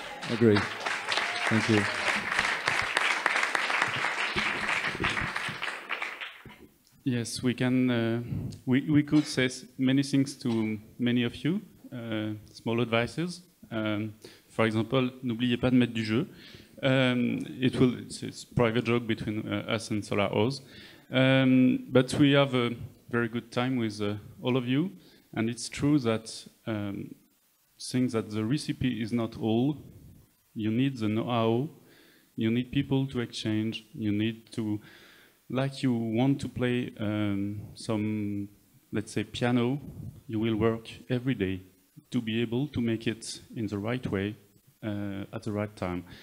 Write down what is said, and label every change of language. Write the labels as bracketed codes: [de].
[en] Agree. Thank you. Yes, we can. We could say many things to many of you. Small advices. For example, [fr] n'oubliez pas de mettre du jeu. [en] It's a private joke between us and Solar Oz. But we have a very good time with all of you, and it's true that seeing that the recipe is not all, you need the know-how, you need people to exchange, you need to, like you want to play some, let's say, piano, you will work every day to be able to make it in the right way at the right time.